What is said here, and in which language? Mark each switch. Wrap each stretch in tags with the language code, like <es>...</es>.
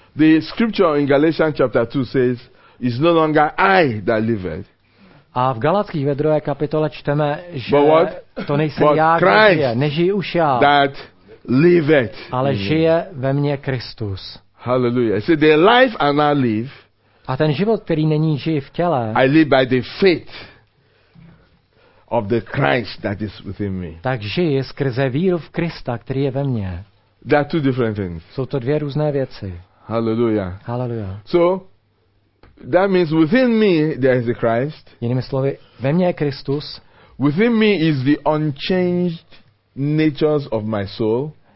<en>The scripture in Galatians chapter 2 says, it's no longer I that live.</en> <cs>A v Galatských ve druhé kapitole čteme, že to nejsem já, kdo žije, nežijí už já.</cs> <en>That live it.</en> <cs>Ale žije ve mně Kristus.</cs> <en>Hallelujah. See, the life I now live.</en> <cs>A ten život, který není žije v těle.</cs> <en>I live by the faith of the Christ that is within me.</en> <cs>Tak žije skrze víru v Krista, který je ve mně.</cs> <en>There are two different things.</en> <cs>Jsou to dvě různé věci.</cs> <en>Hallelujah. Hallelujah. So that means within me there is a Christ.</en> <cs>Jinými slovy, ve mně je Kristus.</cs> <en>Within me is the unchanged natures of my soul.</en>